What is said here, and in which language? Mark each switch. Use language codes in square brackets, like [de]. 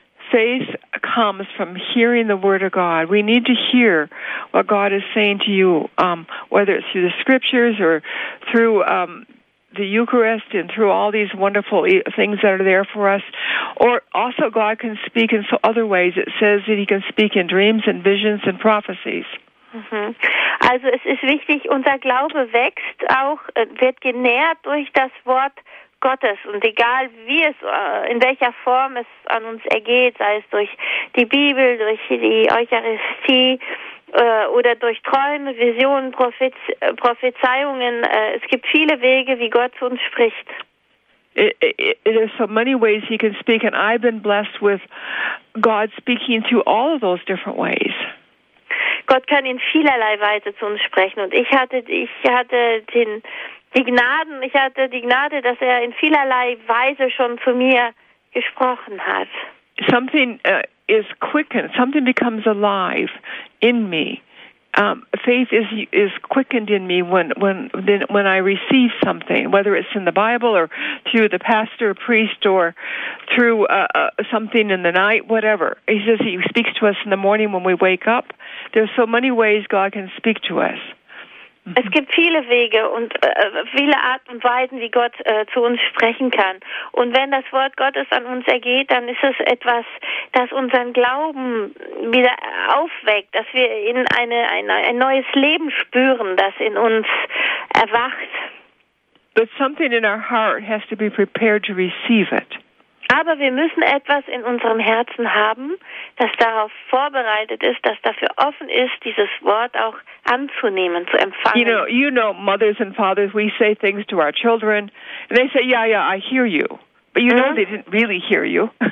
[en] Faith comes from hearing the word of God. We need to hear what God is saying to you, whether it's through the scriptures or through the Eucharist and through all these wonderful things that are there for us. Or also God can speak in so other ways. It says that he can speak in dreams and visions and prophecies. Mm-hmm. [de] Also es ist wichtig, unser Glaube wächst auch, wird genährt durch das Wort Gottes, und egal wie es, in welcher Form es an uns ergeht, sei es durch die Bibel, durch die Eucharistie oder durch Träume, Visionen, Prophezeiungen, es gibt viele Wege, wie Gott zu uns spricht. [en] There's so many ways he can speak, and I've been blessed with God speaking through all of those different ways. [de] Gott kann in vielerlei Weise zu uns sprechen, und ich hatte die Gnade, dass er in vielerlei Weise schon zu mir gesprochen hat. [en] Something is quickened. Something becomes alive in me. Faith is quickened in me when I receive something, whether it's in the Bible or through the pastor or priest or through something in the night, whatever. He says he speaks to us in the morning when we wake up. There's so many ways God can speak to us. [de] Es gibt viele Wege und viele Arten und Weisen, wie Gott zu uns sprechen kann. Und wenn das Wort Gottes an uns ergeht, dann ist es etwas, das unseren Glauben wieder aufweckt, dass wir in ein neues Leben spüren, das in uns erwacht. [en] But something in our heart has to be prepared to receive it. [de] Aber wir müssen etwas in unserem Herzen haben, das darauf vorbereitet ist, das dafür offen ist, dieses Wort auch anzunehmen, zu empfangen. [en] You know, mothers and fathers, we say things to our children, and they say, yeah, I hear you. But you know, they didn't really hear you.